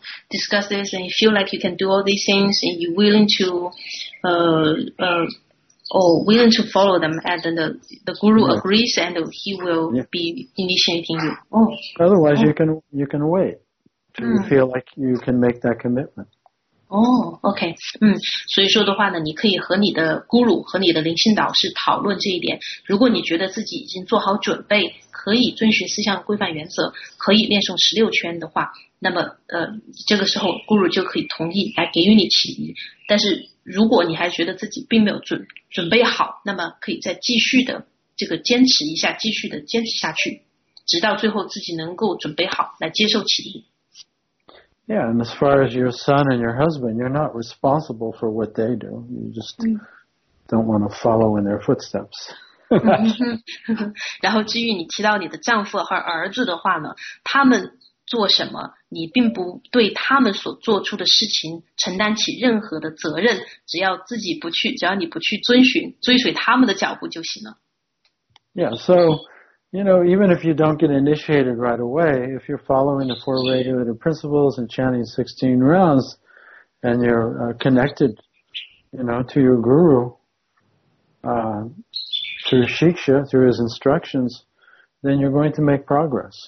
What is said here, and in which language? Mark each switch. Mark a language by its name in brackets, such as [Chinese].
[English] Discuss this and you feel like you can do all these things and you're willing to, willing to follow them, and then the guru agrees and he will be initiating you. Otherwise, you can wait till you feel like you can make that commitment. [Chinese] 所以说的话呢，你可以和你的咕噜和你的灵性导师讨论这一点，如果你觉得自己已经做好准备，可以遵循四项规范原则，可以练诵16圈的话，那么这个时候咕噜就可以同意来给予你启迪，但是如果你还觉得自己并没有准备好，那么可以再继续的这个坚持一下，继续的坚持下去，直到最后自己能够准备好来接受启迪。 [English] Yeah, and as far as your son and your husband, you're not responsible for what they do. You just don't want to follow in their footsteps. [Chinese] 然后至于你提到你的丈夫和儿子的话呢，他们做什么，你并不对他们所做出的事情承担起任何的责任，只要你不去追随他们的脚步就行了。 [English] Yeah, so... You know, even if you don't get initiated right away, if you're following the four regulative principles and chanting 16 rounds, and you're connected, you know, to your guru, through Shiksha, through his instructions, then you're going to make progress.